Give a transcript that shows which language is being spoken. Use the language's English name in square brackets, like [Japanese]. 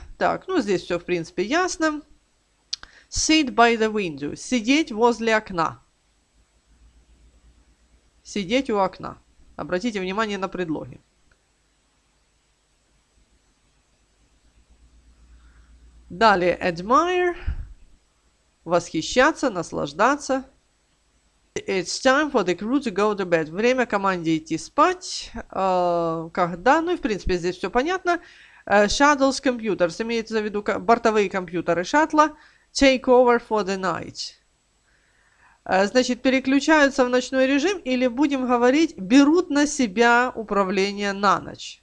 [Russian] Так, ну здесь все в принципе ясно. [English] Sit by the window [Russian] – сидеть возле окна. Сидеть у окна. Обратите внимание на предлоги. Далее admire – восхищаться, наслаждаться. [English] It's time for the crew to go to bed. [Russian] Время команде идти спать. Когда? Ну и в принципе здесь все понятно. [English] Shuttle's computers. [Russian] Имеется в виду бортовые компьютеры шаттла. [English] Take over for the night. [Russian] Значит, переключаются в ночной режим или, будем говорить, берут на себя управление на ночь.